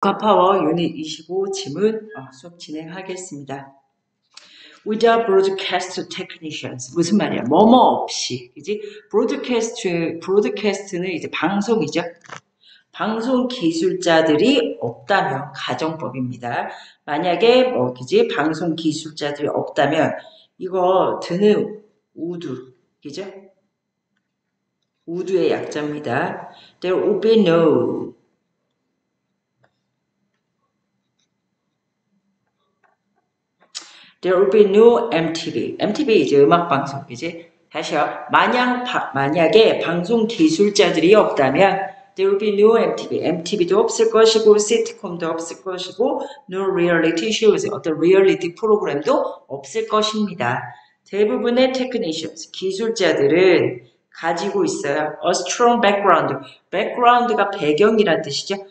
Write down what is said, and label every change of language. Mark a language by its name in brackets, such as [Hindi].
[Korean] Kappa와 유닛 25 지문 수업 진행하겠습니다. [English] Without broadcast technicians. [Korean] 무슨 말이야? 뭐뭐 없이. 그지? Broadcast는 이제 방송이죠. 방송 기술자들이 없다면 가정법입니다. 만약에 뭐, 그지? 방송 기술자들이 없다면 이거 드는 우두. 그죠? 우두의 약자입니다. [English] There will be no. There will be no MTV. [Korean] MTV 이제 음악 방송, 그지? 다시요. 만약에 방송 기술자들이 없다면, [English] There will be no MTV. [Korean] MTV도 없을 것이고, 시트콤도 없을 것이고, [English] No reality shows. [Korean] 어떤 리얼리티 프로그램도 없을 것입니다. 대부분의 technicians, 기술자들은 가지고 있어요. [English] A strong background. Background가 [Korean] 배경이란 뜻이죠.